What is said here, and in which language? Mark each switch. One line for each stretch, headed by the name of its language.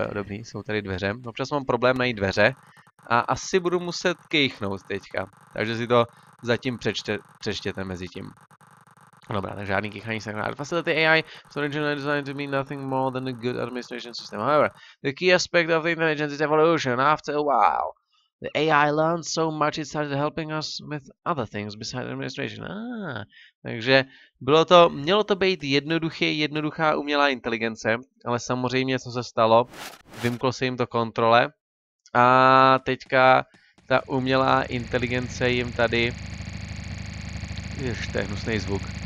Czech: Jo, dobrý, jsou tady dveře. Občas mám problém najít dveře. A asi budu muset kejchnout teďka. Takže si to... Zatím přečtěte mezi tím. Dobrá, tak žádný kýchání se nechá.
English: Facility AI is originally designed to mean nothing more than a good administration system. However, the key aspect of the intelligence is evolution. After a while, the AI learned so much it started helping us with other things besides administration.
Czech: Takže bylo to, mělo to být jednoduchá umělá inteligence, ale samozřejmě co se stalo, vymklo se jim to kontrole a teďka ta umělá inteligence jim tady... Ještě, hnusný zvuk.